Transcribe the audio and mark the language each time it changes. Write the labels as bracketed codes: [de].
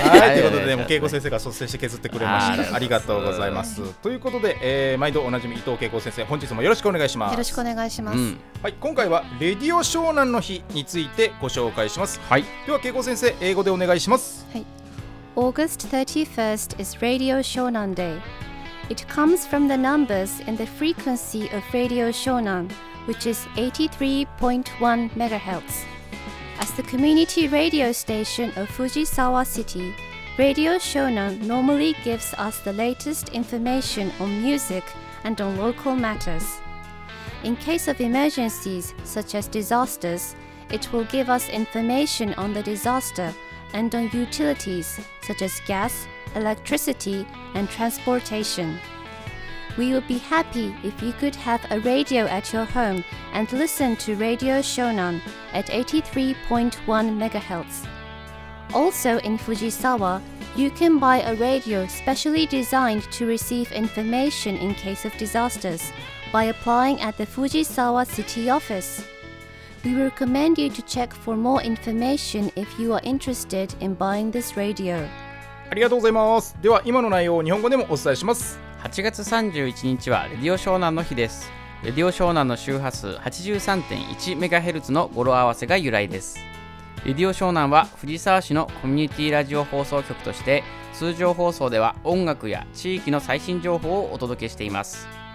[ja] はい、ということで慶子先生が率先して削ってくれました。ありがとうございます。ということで、毎度おなじみ伊藤慶子先生、本日もよろしくお願いします。よろしくお願いします、うん。はい、今回はレディオ湘南の日についてご紹介します。はい、では慶子先生、英語でお願いします。 [en] はい、 August 31st is Radio Shonan Day. It comes from the numbers and the frequency of Radio Shonan, which is 83.1 MHz. As the community radio station of Fujisawa City,Radio Shonan normally gives us the latest information on music and on local matters. In case of emergencies, such as disasters, it will give us information on the disaster and on utilities, such as gas, electricity, and transportation. We would be happy if you could have a radio at your home and listen to Radio Shonan at 83.1 MHz. Also in Fujisawa, you can buy a radio specially designed to receive information in case of disasters by applying at the Fujisawa City Office. We recommend you to check for more information if you are interested in buying this radio. [ja] ありがとうございます。では今の内容を日本語でもお伝えします。 8月31日はレディオ湘南の日です。レディオ湘南の周波数 83.1MHz の語呂合わせが由来です。レディオ湘南は藤沢市のコミュニティラジオ放送局として、通常放送では音楽や地域の最新情報をお届けしています。